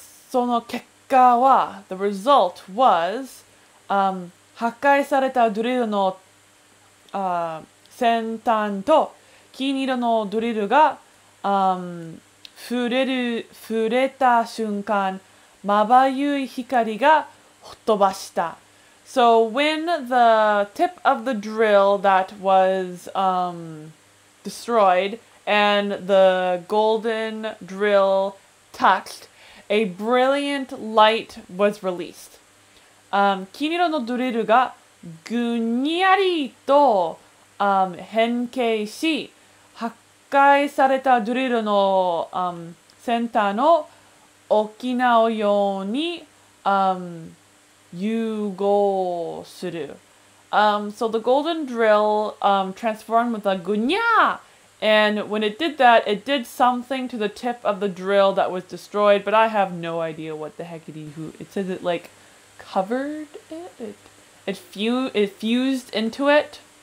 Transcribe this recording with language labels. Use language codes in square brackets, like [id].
[ja] その結果は, [en] the result was [ja] 破壊されたドリルの先端と金色のドリルが触れた瞬間、まばゆい光が吹っ飛ばした。 [en] So when the tip of the drill that was destroyed and the golden drill touched, a brilliant light was released. [ja] 金色のドリルがぐにゃりと変形し、破壊されたドリルの先端の大きなように融合する。 [en] So the golden drill transformed with a ぐにゃ! And when it did that, it did something to the tip of the drill that was destroyed, but I have no idea what the heckity who. It says it like,covered it? It fused into it?